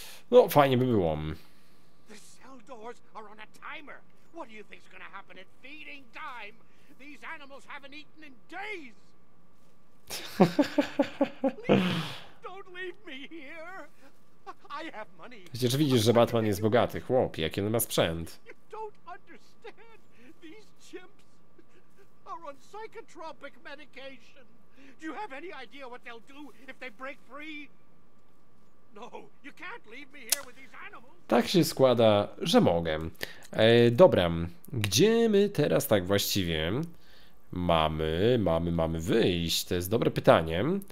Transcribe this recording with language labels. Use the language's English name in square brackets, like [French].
[Polish] No, fajnie by było. [English] The cell doors are on a timer. What do you think's gonna happen at feeding time? These animals haven't eaten in days. Please, don't leave me here. I have money. [Polish] Przecież widzisz, że Batman jest bogaty, chłop, jaki on ma sprzęt. [English] You don't understand. These chimps are on psychotropic medication. Do you have any idea what they'll do if they break free? No, you can't leave me here with these animals. [Polish] Tak się składa, że mogę. Dobra, gdzie my teraz tak właściwie mamy wyjść? To jest dobre pytanie.